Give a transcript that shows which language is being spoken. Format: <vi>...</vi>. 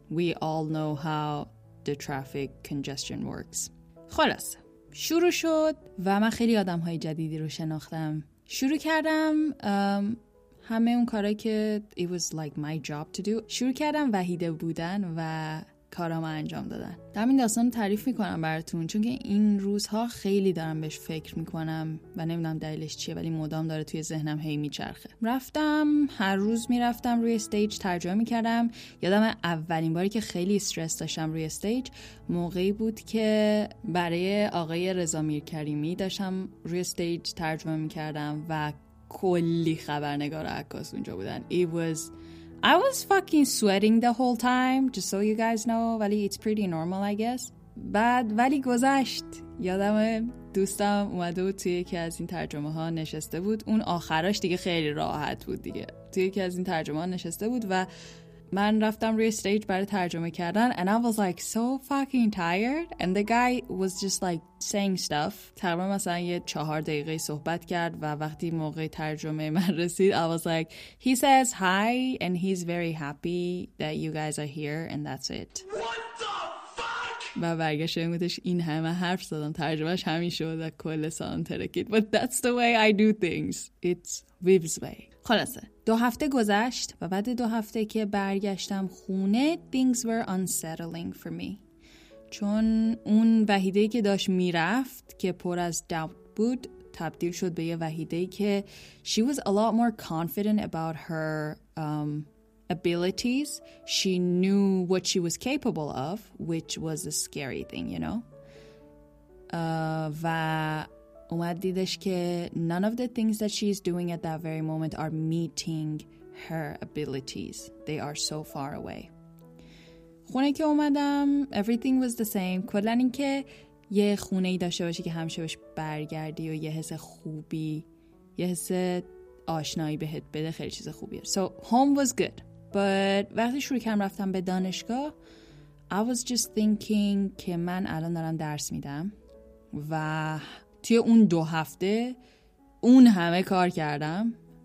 <en>We all know how the traffic congestion works.</en> <fa>خلاص. شروع شد و من خیلی آدم‌های جدیدی رو شناختم. شروع کردم همه اون کارهایی که</fa> <en>it was like my job to do.</en> <fa>شروع کردم وحیده بودن و کارام انجام دادن. دارم این داستان رو تعریف میکنم براتون چون که این روزها خیلی دارم بهش فکر میکنم و نمیدونم دلیلش چیه ولی مدام داره توی ذهنم هی میچرخه. رفتم هر روز میرفتم روی استیج ترجمه میکردم. یادم اولین باری که خیلی استرس داشتم روی استیج موقعی بود که برای آقای رضا میرکریمی داشتم روی استیج ترجمه میکردم و کلی خبرنگار و عکاس اونجا بودن.</fa> <en>I was fucking sweating the whole time, just so you guys know.</en> <fa>ولی</fa> <en>it's pretty normal, I guess.</en> <fa>بعد ولی گذشت. یادم دوستم اومده بود توی یکی از این ترجمه ها نشسته بود. اون آخرش دیگه خیلی راحت بود دیگه. توی یکی از این ترجمه ها نشسته بود و من رفتم روی استیج برای ترجمه کردن.</fa> <en>And I was like so fucking tired. And the guy was just like saying stuff.</en> <fa>تقریبا مثلا یه 4 دقیقه صحبت کرد و وقتی موقع ترجمه من رسید</fa> <en>I was like he says hi and he's very happy that you guys are here and that's it.</en> <fa>و برگشت بگوتش این همه حرف زدم ترجمهش همین شد و کل سان ترکید.</fa> <en>But that's the way I do things. It's Viv's way.</en> <fa>خلاصه 2 هفته گذشت و بعد 2 هفته که برگشتم خونه</fa> <en>things were unsettling for me.</en> <fa>چون اون وحیدهی که داشت میرفت که پر از doubt بود تبدیل شد به یه وحیدهی که</fa> <en>she was a lot more confident about her abilities. She knew what she was capable of, which was a scary thing, you know.</en> <fa>و اومد دیدش که</fa> <en>none of the things that she's doing at that very moment are meeting her abilities. They are so far away.</en> <fa>خونه که اومدم</fa> <en>everything was the same.</en> <fa>کلن این که یه خونه ای داشته باشی که همشه باش برگردی و یه حس خوبی یه حس آشنایی بهت بده خیلی چیز خوبیه.</fa> <en>So home was good. But</en> <fa>وقتی شروع کردم رفتم به دانشگاه</fa> <en>I was just thinking</en> <fa>که من الان دارم درس میدم و توی اون 2 هفته اون همه کار کردم.</fa>